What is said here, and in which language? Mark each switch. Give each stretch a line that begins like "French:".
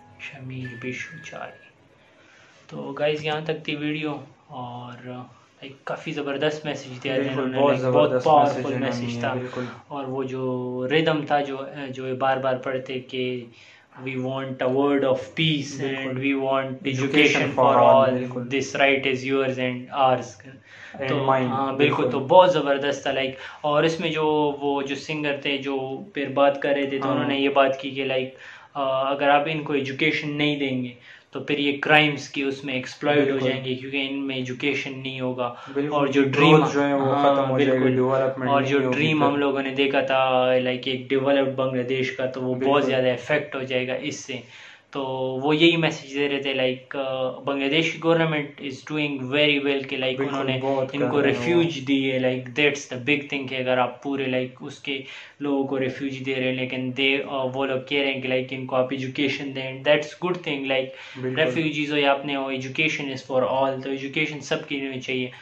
Hindi: तो गाइस यहाँ तक थी वीडियो और एक काफी जबरदस्त मैसेज दिया बहुत पावरफुल मैसेज था और वो जो रिदम था जो बार बार पढ़ते कि
English: we want a word of peace
Hindi: Bilkul.
English: and we want education for all
Hindi: Bilkul.
English: this right is yours and ours and mine
Hindi: bilkul to bahut zabardast tha like aur isme jo wo jo singer the jo phir baat kar rahe the to unhone ye baat ki ke like agar aap inko education nahi denge तो फिर ये crimes की उसमें exploit हो जाएंगे क्योंकि इनमें education नहीं होगा और जो ड्रीम जो है वो खत्म हो जाएगा डेवलपमेंट और जो ड्रीम हम लोगों ने देखा था लाइक एक डेवलप्ड बांग्लादेश का तो वो बहुत ज़्यादा इफेक्ट हो जाएगा इससे तो वो यही मैसेज दे रहे थे like
English: Bangladesh government is doing very well
Hindi: कि लाइक उन्होंने इनको रिफ्यूज दी है like
English: that's the big thing
Hindi: कि अगर आप पूरे लाइक उसके लोगों को रिफ्यूज दे रहे हैं लेकिन दे वो लोग कह रहे हैं कि लाइक इनको आप एजुकेशन दें that's good thing like refugees हो या आपने हो
English: education is for all
Hindi: तो एजुकेशन सबके लिए चाहिए